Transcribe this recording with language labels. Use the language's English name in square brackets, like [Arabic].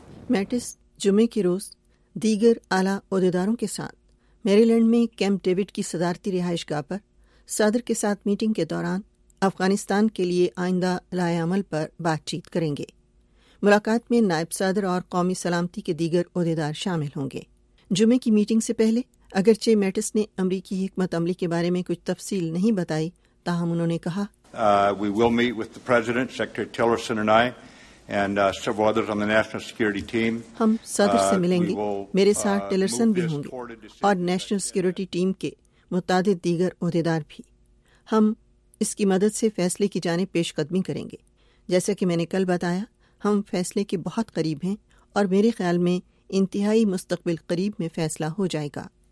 [Urdu] Mates جمعے کے روز دیگر اعلی عہدیداروں کے ساتھ میری لینڈ میں کیمپ ڈیوڈ کی صدارتی رہائش گاہ پر صدر کے ساتھ میٹنگ کے دوران افغانستان کے لیے آئندہ لائے عمل پر بات چیت کریں گے۔ ملاقات میں نائب صدر اور قومی سلامتی کے دیگر عہدیدار شامل ہوں گے۔ جمعے کی میٹنگ سے پہلے اگرچہ میٹس نے امریکی حکمت عملی کے بارے میں کچھ تفصیل نہیں بتائی، تاہم انہوں نے کہا [English] We will meet with the President, Secretary Tillerson and I, and several others on the National Security Team. [Urdu] ہم صدر سے ملیں گے، میرے ساتھ ٹیلرسن بھی ہوں گے اور نیشنل سیکیورٹی ٹیم کے متعدد دیگر عہدیدار بھی۔ ہم اس کی مدد سے فیصلے کی جانب پیش قدمی کریں گے۔ جیسا کہ میں نے کل بتایا، ہم فیصلے کے بہت قریب ہیں اور میرے خیال میں انتہائی مستقبل قریب میں فیصلہ ہو جائے گا۔